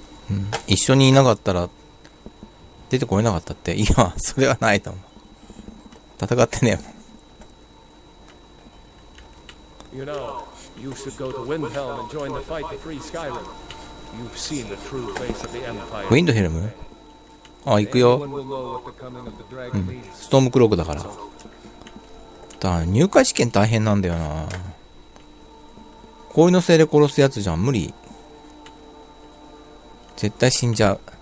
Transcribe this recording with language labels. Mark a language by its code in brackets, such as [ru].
[ja] うん、一緒にいなかったら、出てこれなかったって。いや、それはないと思う。戦ってねえもん。 [en] You know, you should go to Windhelm and join the fight to free Skyrim. You've seen the true face of the Empire. [ja] Windhelm? あ、行くよ。うん、ストームクロークだから。だ、入会試験大変なんだよな。氷のせいで殺すやつじゃん、無理。絶対死んじゃう。